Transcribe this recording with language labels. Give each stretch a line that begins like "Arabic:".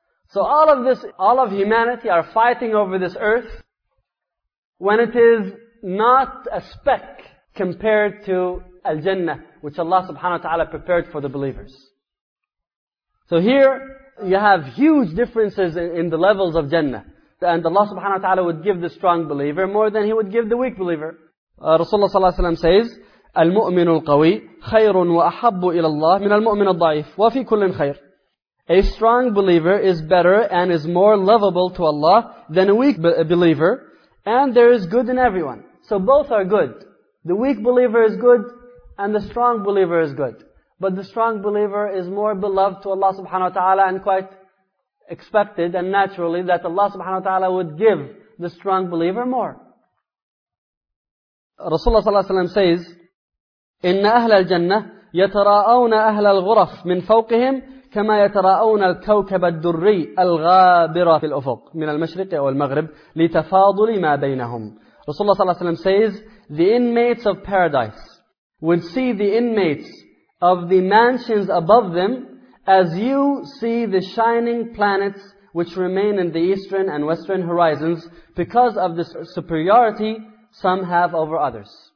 English: So all of this, all of humanity are fighting over this earth when it is not a speck compared to Al-Jannah, which Allah subhanahu wa ta'ala prepared for the believers. So here, you have huge differences in the levels of Jannah. And Allah subhanahu wa ta'ala would give the strong believer more than He would give the weak believer.
Arabic: Rasulullah sallallahu alayhi wa sallam says, المؤمن القوي خير وأحب إلى الله من المؤمن الضعيف وفي كل خير.
English: A strong believer is better and is more lovable to Allah than a weak believer, and there is good in everyone. So both are good. The weak believer is good, and the strong believer is good. But the strong believer is more beloved to Allah subhanahu wa ta'ala, and quite expected and naturally that Allah subhanahu wa ta'ala would give the strong believer more.
Arabic: Rasulullah sallallahu alaihi wasallam says, إن أهل الجنة يتراءون أهل الغرف من فوقهم كما يتراءون الكوكب الدري الغابرة في الأفق من المشرق أو المغرب لتفاضل ما بينهم.
English: Rasulullah
Arabic: صلى الله عليه وسلم
English: says, the inmates of paradise would see the inmates of the mansions above them as you see the shining planets which remain in the eastern and western horizons because of the superiority some have over others.